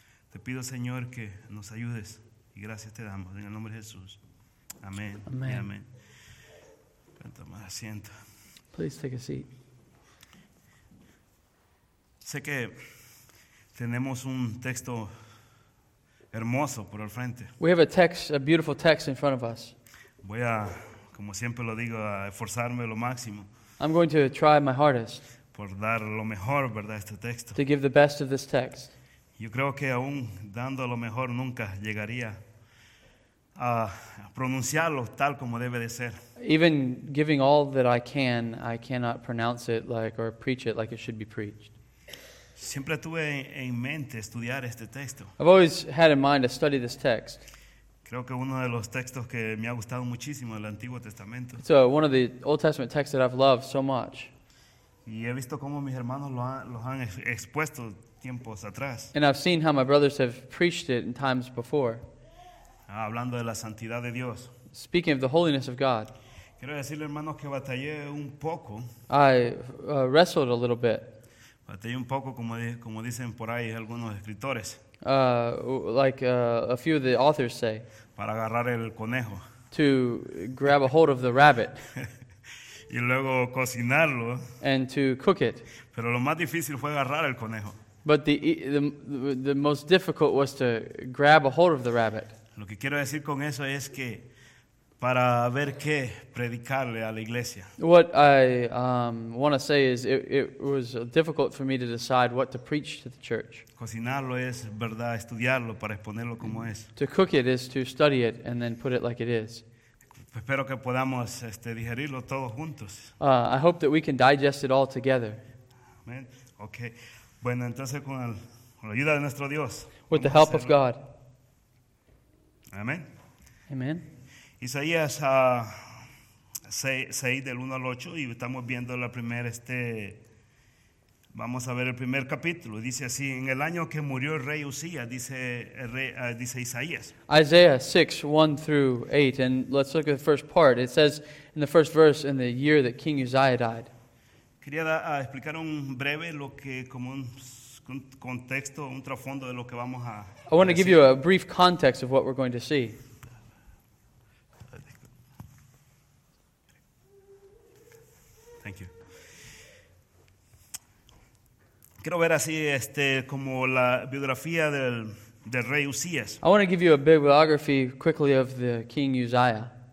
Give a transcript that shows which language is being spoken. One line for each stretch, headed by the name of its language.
Spanish: Te pido, Señor, que nos ayudes. Y gracias te damos en el nombre de Jesús. Amén. Amén. Amén. Toma asiento.
English: Please take a seat.
Spanish: Sé que tenemos un texto hermoso por el frente.
English: We have a beautiful text in front of us.
Spanish: Voy a, como siempre lo digo, a esforzarme lo máximo.
English: I'm going to try my hardest.
Spanish: Por dar lo mejor, ¿verdad?, este texto.
English: To give the best of this text.
Spanish: Yo creo que aún dando lo mejor nunca llegaría a pronunciarlo tal como debe de ser.
English: Even giving all that I cannot pronounce it like or preach it like it should be preached.
Spanish: Siempre tuve en mente estudiar este texto.
English: I've always had in mind to study this text.
Spanish: Creo que uno de los textos que me ha gustado muchísimo del Antiguo Testamento.
English: So one of the Old Testament texts that I've loved so much.
Spanish: Y he visto cómo mis hermanos los han expuesto tiempos atrás.
English: And I've seen how my brothers have preached it in times before.
Spanish: Hablando de la santidad de Dios.
English: Speaking of the holiness of God.
Spanish: Quiero decirle, hermanos, que batallé un poco.
English: I wrestled a little bit.
Spanish: Estoy un poco como dicen por ahí algunos escritores.
English: A few of the authors say.
Spanish: Para agarrar el conejo.
English: To grab a hold of the rabbit.
Spanish: Y luego cocinarlo.
English: And to cook it.
Spanish: Pero lo más difícil fue agarrar el conejo.
English: But the most difficult was to grab a hold of the rabbit.
Spanish: Lo que quiero decir con eso es que para ver qué predicarle a la iglesia.
English: What I want to say is it was difficult for me to decide what to preach to the church.
Spanish: Cocinarlo es, verdad, estudiarlo para exponerlo como es.
English: To cook it is to study it and then put it like it is.
Spanish: Espero que podamos digerirlo todos juntos.
English: I hope that we can digest it all together. Amen. Okay.
Spanish: Bueno, entonces con la ayuda de nuestro Dios.
English: With the help of God. Amen. Amen.
Spanish: Isaías 6 del 1 al 8 y estamos viendo la primera vamos a ver el primer capítulo. Dice así: en el año que murió el rey Usías, dice Isaías.
English: Isaiah 6, 1 through 8, and let's look at the first part. It says in the first verse, in the year that King Uzziah died.
Spanish: Quería explicar un breve lo que como un contexto, un trasfondo de lo que vamos a
English: I want to give you a brief context of what we're going to see.
Spanish: Quiero ver así como la biografía del rey Usías.
English: I want to give you a biography quickly of the King Uzziah.